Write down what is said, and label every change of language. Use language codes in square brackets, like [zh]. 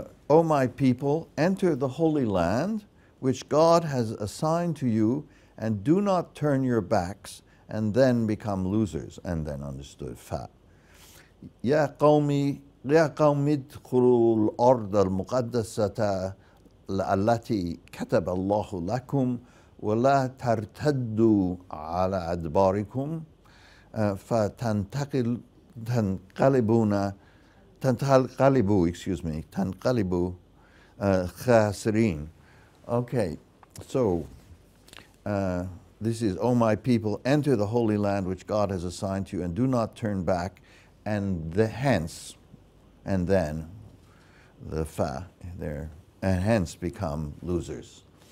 [en] O my people, enter the Holy Land, which God has assigned to you, and do not turn your backs, and then become losers, and then understood fat. [ar] يا قومي ادخلوا الأرض المقدسة التي كتب الله لكم ولا ترتدوا على أدباركم تنقلبوا خاسرين. [en] Okay, so this is, O my people, enter the Holy Land which God has assigned to you and do not turn back, and hence become losers.